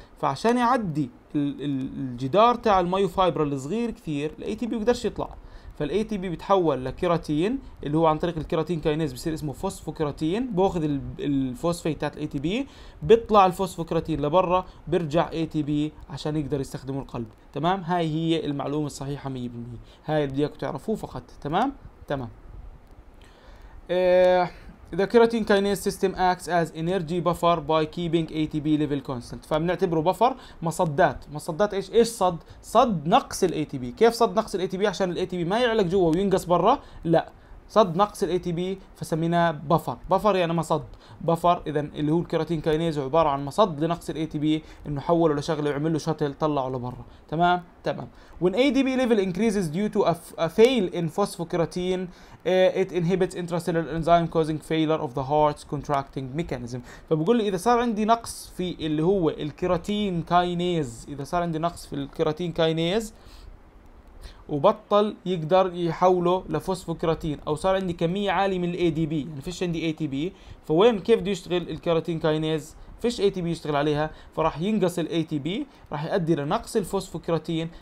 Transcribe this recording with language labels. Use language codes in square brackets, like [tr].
[ar] فعشان يعدي الجدار تاع المايوفايبرال الصغير كثير، الاي تي بي بيقدرش يطلع، فالاي تي بي بيتحول لكيراتين اللي هو عن طريق الكيراتين كاينيز بصير اسمه فوسفوكيراتين، باخذ الفوسفيت تاع الاي تي بي، بيطلع الفوسفوكيراتين لبرا، بيرجع اي تي بي عشان يقدر يستخدمه القلب، تمام؟ هاي هي المعلومه الصحيحه 100%، هاي اللي بدي اياكم تعرفوه فقط، تمام؟ تمام. [en] The creatine kinase system acts as energy buffer by keeping ATP level constant. [ar] فبنعتبره buffer، مصدات. مصدات ايش؟ ايش صد؟ صد نقص الـ ATP. كيف صد نقص الـ ATP؟ عشان الـ ATP ما يعلق جوا وينقص برا؟ لا، صد نقص الـ ATP فسميناه buffer. buffer يعني مصد. buffer اذا اللي هو الكيراتين كاينيز عبارة عن مصد لنقص الـ ATP، انه حوله لشغله ويعمل له شتل طلعه لبرا، تمام؟ تمام. [en] When ADP level increases due to a fail in phosphocreatine, it inhibits intracellular enzyme causing failure of the heart's contracting mechanism. [ar] فبقول لي إذا صار عندي نقص في اللي هو الكيراتين كاينيز، إذا صار عندي نقص في الكيراتين كاينيز وبطل يقدر يحوله لفوسفوكيراتين، أو صار عندي كمية عالية من الـ ADP، يعني فيش عندي ATP، فوين كيف بده يشتغل الكيراتين كاينيز؟ فيش اي تي بي يشتغل عليها، فراح ينقص الاي تي بي، راح يؤدي لنقص الفوسفوكيراتين.